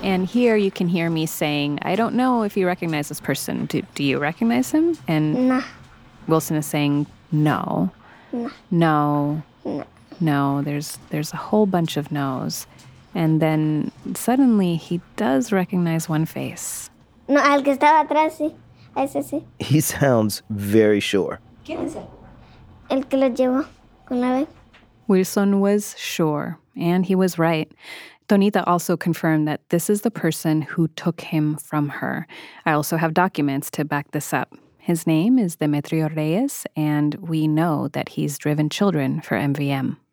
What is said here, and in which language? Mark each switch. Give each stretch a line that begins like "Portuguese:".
English: And here you can hear me saying, I don't know if you recognize this person. Do you recognize him? And nah. Wilson is saying, no. Nah. No. Nah. No. There's a whole bunch of no's. And then suddenly he does recognize one face.
Spanish: No, al que estaba atrás, sí. Ese sí.
English: He sounds very sure.
Spanish: ¿Quién es él? El que lo llevó con la vez.
English: Wilson was sure, and he was right. Tonita also confirmed that this is the person who took him from her. I also have documents to back this up. His name is Demetrio Reyes, and we know that he's driven children for MVM.